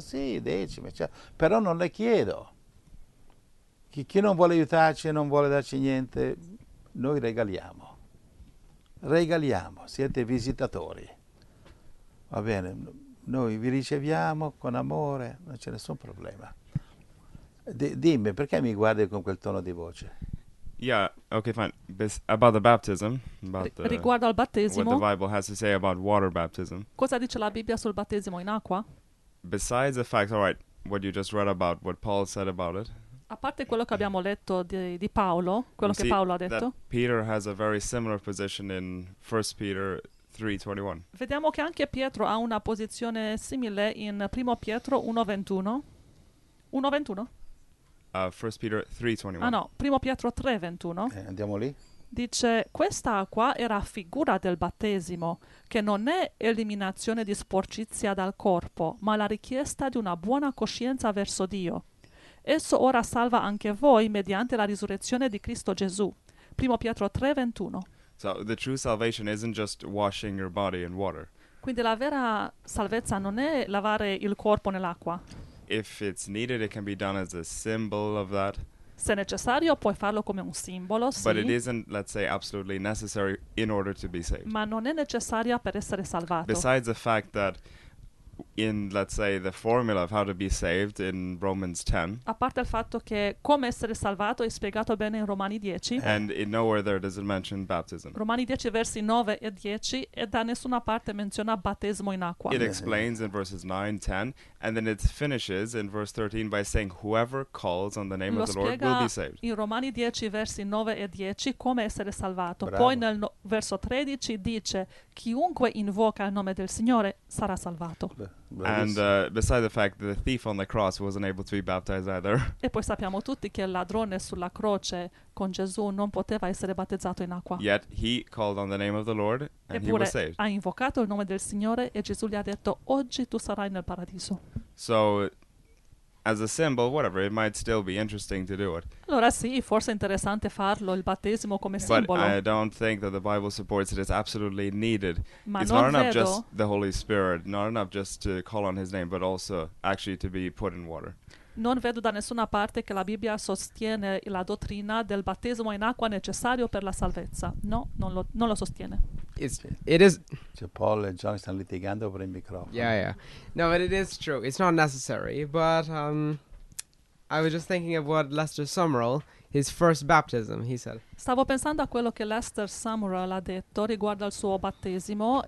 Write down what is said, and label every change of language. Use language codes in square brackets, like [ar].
[it] Sì, decime, cioè, però non le chiedo. Chi non vuole aiutarci e non vuole darci niente, noi regaliamo. Regaliamo, siete visitatori. Va bene, noi vi riceviamo con amore, non c'è nessun problema. Dimmi, perché mi guardi con quel tono di voce? [en] Yeah, okay, fine. About the baptism, [it] riguardo al battesimo. [en] What the Bible has to say about water baptism. [it] Cosa dice la Bibbia sul battesimo in acqua? [en] Besides the fact, all right, what you just read about, what Paul said about it. [it] A parte quello che abbiamo letto di Paolo, quello che Paolo ha detto. [en] Peter has a very similar position in 1 Peter 3:21. [it] Vediamo che anche Pietro ha una posizione simile in 1 Pietro 1:21. 1:21. [en] 1 Peter 3:21. [it] Ah no, 1 Pietro 3:21. Andiamo lì. Dice: questa acqua era figura del battesimo, che non è eliminazione di sporcizia dal corpo, ma la richiesta di una buona coscienza verso Dio. Esso ora salva anche voi mediante la risurrezione di Cristo Gesù. 1 Pietro 3:21. [en] So the true salvation isn't just washing your body in water. [it] Quindi la vera salvezza non è lavare il corpo nell'acqua. [en] If it's needed, it can be done as a symbol of that. [it] Se necessario, puoi farlo come un simbolo, sì. [en] But it isn't, let's say, absolutely necessary in order to be saved. [it] Ma non è necessaria per essere salvato. [en] Besides the fact that in, let's say, the formula of how to be saved in Romans 10. [it] A parte il fatto che come essere salvato è spiegato bene in Romani 10. [en] And in nowhere there does it mention baptism. [it] Romani 10 versi 9 e 10 e da nessuna parte menziona battesimo in acqua. [en] It explains in verses 9, 10 and then it finishes in verse 13 by saying whoever calls on the name of the Lord will be saved. [it] In Romani 10 versi 9 e 10 come essere salvato. Bravo. Poi nel verso 13 dice chiunque invoca il nome del Signore sarà salvato. [en] And beside the fact that the thief on the cross wasn't able to be baptized either. [it] E poi sappiamo tutti che il ladrone sulla croce con Gesù non poteva essere battezzato in acqua. [en] Yet he called on the name of the Lord and [it] Eppure [en] he was saved. [it] Eppure ha invocato il nome del Signore e Gesù gli ha detto oggi tu sarai nel paradiso. [en] So as a symbol, whatever, it might still be interesting to do it. [it] Allora sì, forse è interessante farlo, il battesimo come simbolo. [en] But I don't think that the Bible supports it. It's absolutely needed. [it] Ma [en] it's [it] non [en] not [it] credo. [en] Enough just the Holy Spirit, not enough just to call on His name, but also actually to be put in water. [it] Non vedo da nessuna parte che la Bibbia sostiene la dottrina del battesimo in acqua necessario per la salvezza. No, non lo sostiene. [en] It is. So Paul and John [it] stanno litigando per il microfono. [en] Yeah, yeah. No, but it is true. It's not necessary. But I was just thinking of what Lester Sumrall, his first baptism, he said. [it] Stavo pensando a quello che Lester Sumrall ha detto riguardo al suo battesimo.